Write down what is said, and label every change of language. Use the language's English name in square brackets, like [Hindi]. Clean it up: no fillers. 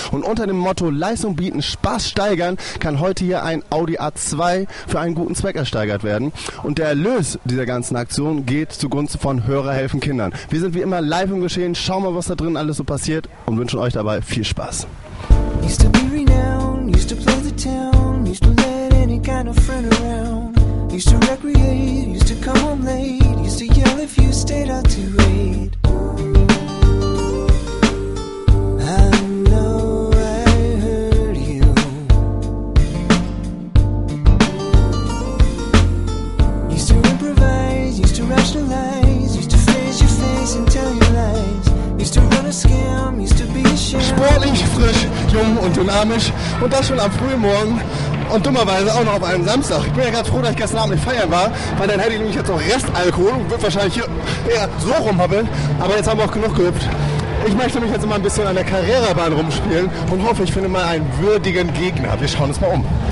[German] Und unter dem Motto Leistung bieten, Spaß steigern, kann heute hier ein Audi A2 für einen guten Zweck ersteigert werden. Und der Erlös dieser ganzen Aktion geht zugunsten von Hörer helfen Kindern. Wir sind wie immer live im Geschehen, schauen mal, was da drin alles so passiert und wünschen euch dabei viel Spaß. [English] Used to be renowned, used to play the town, used to let any kind of friend around. Used to recreate, used to come home late, used to yell if you stayed out too late. I know I hurt you. Used to improvise, used to rationalize, used to face your face and tell your lies. Used to run a scam, used to be a sham. [German] Sportlich, frisch, jung und dynamisch und das schon am frühen Morgen und dummerweise auch noch auf einem Samstag. Ich bin ja gerade froh, dass ich gestern Abend nicht feiern war, weil dann hätte ich nämlich jetzt noch Restalkohol und würde wahrscheinlich hier eher so rumhabbeln, aber jetzt haben wir auch genug geübt. Ich möchte mich jetzt mal ein bisschen an der Karrierebahn rumspielen und hoffe, ich finde mal einen würdigen Gegner. Wir schauen uns mal um.